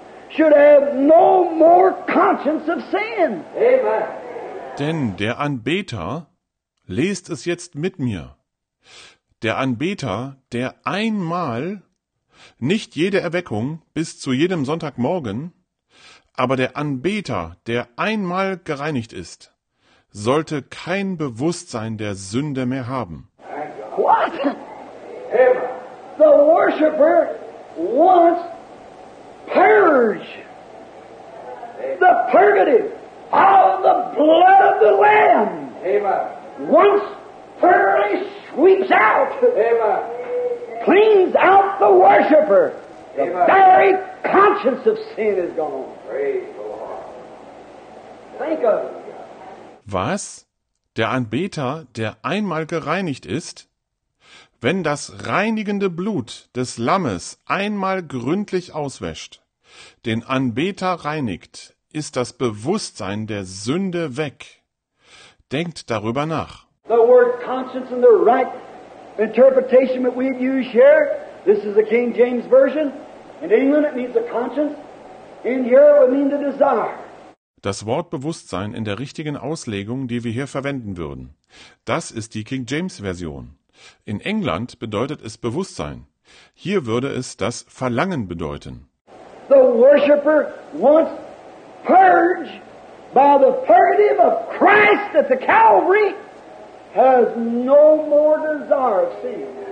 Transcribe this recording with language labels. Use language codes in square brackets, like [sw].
[en] Should have no more conscience of sin. Amen. [de] Denn der Anbeter, lest es jetzt mit mir, der Anbeter, der einmal, nicht jede Erweckung bis zu jedem Sonntagmorgen, aber der Anbeter, der einmal gereinigt ist, sollte kein Bewusstsein der Sünde mehr haben. [en] What? The worshiper wants purge, the purgative of the blood of the Lamb. Amen. Once thoroughly sweeps out, amen, cleans out the worshiper, the amen very conscience of sin is gone. Praise the Lord. Think of it. [de] Was? Der Anbeter, der einmal gereinigt ist? Wenn das reinigende Blut des Lammes einmal gründlich auswäscht, den Anbeter reinigt, ist das Bewusstsein der Sünde weg. Denkt darüber nach. [en] The word conscience and the right interpretation that we've used here, this is the King James Version. In England it means the conscience. In here it would mean the desire. [de] Das Wort Bewusstsein in der richtigen Auslegung, die wir hier verwenden würden, das ist die King James Version. In England bedeutet es Bewusstsein. Hier würde es das Verlangen bedeuten. [en] The worshiper wants purge by the purgative of Christ at the Calvary has no more desire of sin.